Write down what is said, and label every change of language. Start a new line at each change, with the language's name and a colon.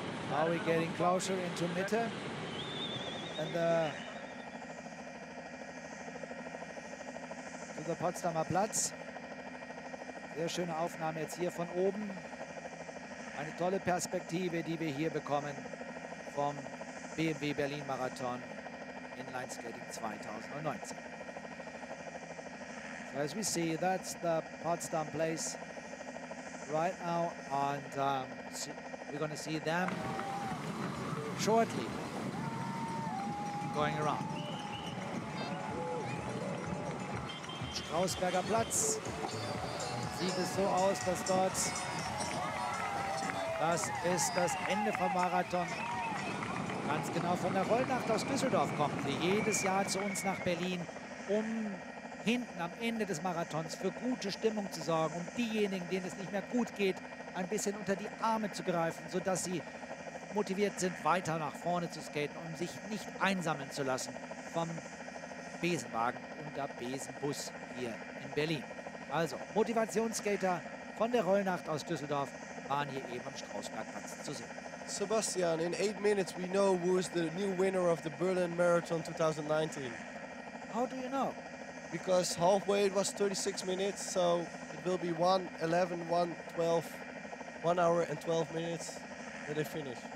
English: Now we're getting closer into Mitte. And to the Potsdamer Platz.
German: Sehr schöne Aufnahme jetzt hier von oben. Eine tolle Perspektive, die wir hier bekommen vom BMW Berlin Marathon Inline Skating 2019.
English: As we see, that's the Potsdam place right now, and we're going to see them shortly going around.
German: Strausberger Platz. Sieht es so aus, dass dort das ist das Ende vom Marathon. Ganz genau von der Rollnacht aus Düsseldorf kommen, die jedes Jahr zu uns nach Berlin, um hinten am Ende des Marathons für gute Stimmung zu sorgen, um diejenigen, denen es nicht mehr gut geht, ein bisschen unter die Arme zu greifen, sodass sie motiviert sind, weiter nach vorne zu skaten, um sich nicht einsammeln zu lassen vom Besenwagen und der Besenbus hier in Berlin. Also, Motivationsskater von der Rollnacht aus Düsseldorf waren hier eben am Strausbergplatz zu sehen.
English: Sebastian, in 8 minutes we know who is the new winner of the Berlin Marathon 2019. How do you know? Because halfway it was 36 minutes, so it will be 1:11, 1:12, 1 hour and 12 minutes that they finish.